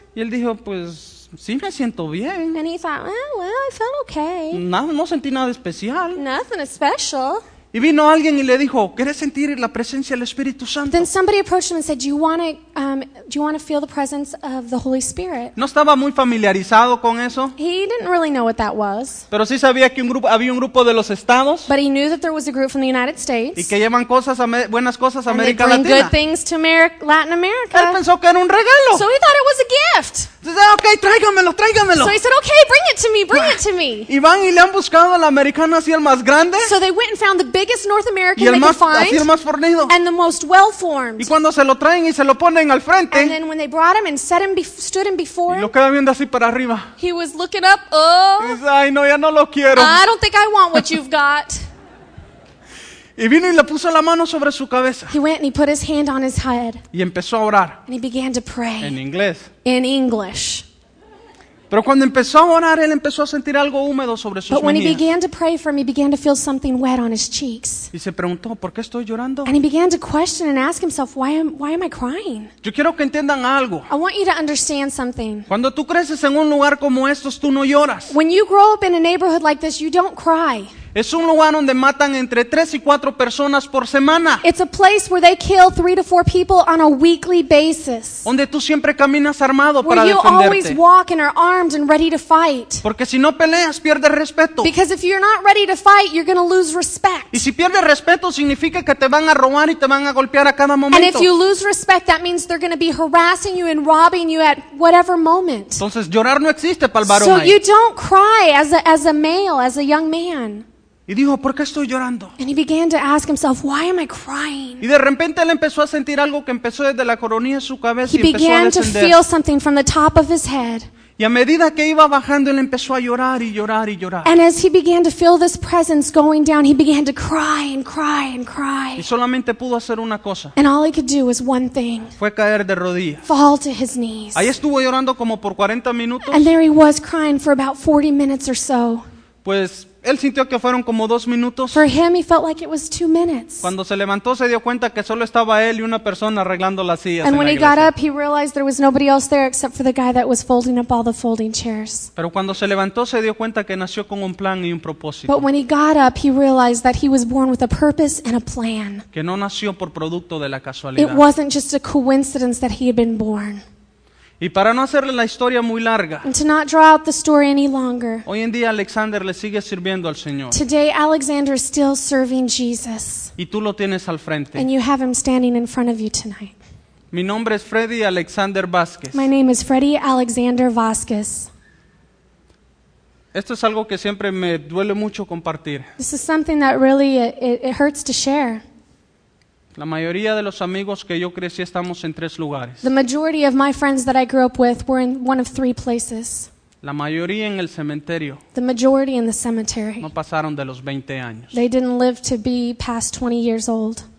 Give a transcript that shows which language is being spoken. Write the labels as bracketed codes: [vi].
[es] Y él dijo, pues, sí, me siento bien. [en] And he thought, well, I felt okay. [es] No sentí nada especial. [en] Nothing special. [es] Y vino alguien y le dijo, ¿quieres sentir la presencia del Espíritu Santo? [en] Then somebody approached him and said, do you want to feel the presence of the Holy Spirit? [es] No estaba muy familiarizado con eso. [en] He didn't really know what that was. [es] Pero sí sabía que había un grupo de los Estados. [en] But he knew that there was a group from the United States. [es] Y que llevan cosas buenas cosas a América Latina. [en] And they bring good things to Latin America. [es] Él pensó que era un regalo. [en] So he thought it was a gift. [es] Entonces, [en] okay, [es] tráigamelo. [en] So he said, okay, bring it to me. [es] Y van y le han buscado al americano así el más grande. [en] So they went and found the biggest North American they could find. [es] Y así el más fornido. [en] And the most well-formed. [es] Y cuando se lo traen y se lo ponen al frente. [en] And then when they brought him and set him stood him before. [es] Y lo queda viendo así para arriba. [en] He was looking up. Oh. [es] Y dice, ay, no, ya no lo quiero. [en] I don't think I want what you've got. [es] Y vino y le puso la mano sobre su cabeza. [en] He went and he put his hand on his head. [es] Y empezó a orar. [en] And he began to pray. [es] En inglés. [en] In English. [es] Pero cuando empezó a orar, él empezó a sentir algo húmedo sobre sus mejillas. [en] But when he began to pray for him, he began to feel something wet on his cheeks. [es] Y se preguntó, ¿por qué estoy llorando? [en] And he began to question and ask himself, why am I crying? [es] Yo quiero que entiendan algo. [en] I want you to understand something. [es] Cuando tú creces en un lugar como estos, tú no lloras. [en] When you grow up in a neighborhood like this, you don't cry. [es] Es un lugar donde matan entre 3 y 4 personas por semana. [en] It's a place where they kill 3 to 4 people on a weekly basis. [es] Donde tú siempre caminas armado para defenderte. [en] Where you always walk and are armed and ready to fight. [es] Porque si no peleas, pierdes respeto. [en] Because if you're not ready to fight, you're going to lose respect. [es] Y si pierdes respeto, significa que te van a robar y te van a golpear a cada momento. [en] And if you lose respect, that means they're going to be harassing you and robbing you at whatever moment. [es] Entonces, llorar no existe para el varón. [en] So you don't cry as a male, as a young man. [es] Y dijo, ¿por qué estoy llorando? [en] And he began to ask himself, why am I crying? [es] Y de repente él empezó a sentir algo que empezó desde la coronilla de su cabeza [en] he [es] y empezó a descender. [en] He began to feel something from the top of his head. [es] Y a medida que iba bajando, él empezó a llorar y llorar y llorar. [en] And as he began to feel this presence going down, he began to cry and cry and cry. [es] Y solamente pudo hacer una cosa. [en] And all he could do was one thing. [es] Fue caer de rodillas. [en] Fall to his knees. [es] Ahí estuvo llorando como por 40 minutos. [en] And there he was crying for about 40 minutes or so. [es] Pues él sintió que fueron como 2 minutos. [en] For him, he felt like it was 2 minutes. [es] Cuando se levantó, se dio cuenta que solo estaba él y una persona arreglando las sillas. [en] And when he got up, he realized there was nobody else there except for the guy that was folding up all the folding chairs. [es] Pero cuando se levantó, se dio cuenta que nació con un plan y un propósito. [en] But when he got up, he realized that he was born with a purpose and a plan. [es] Que no nació por producto de la casualidad. [en] It wasn't just a coincidence that he had been born. [es] Y para no hacerle la historia muy larga. [en] And to not draw out the story any longer. [es] Hoy en día Alexander le sigue sirviendo al Señor. [en] Today Alexander is still serving Jesus. [es] Y tú lo tienes al frente. [en] And you have him standing in front of you tonight. [es] Mi nombre es Freddy Alexander Vázquez. [en] My name is Freddy Alexander Vázquez. [es] Esto es algo que siempre me duele mucho compartir. [en] This is something that really it hurts to share. [es] La mayoría de los amigos que yo crecí estamos en 3 lugares. [en] The majority of my friends that I grew up with were in one of 3 places. [es] La mayoría en el cementerio. [en] The majority in the cemetery. [es] No pasaron de los 20 años. [en] They didn't live to be past 20 years old.